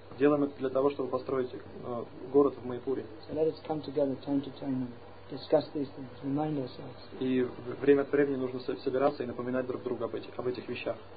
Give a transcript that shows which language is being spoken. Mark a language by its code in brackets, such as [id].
[ru] Делаем это для того, чтобы построить город в Майпуре. [en] So let us come together time to time and discuss these things, remind ourselves. [ru] И время от времени нужно собираться и напоминать друг другу об этих вещах.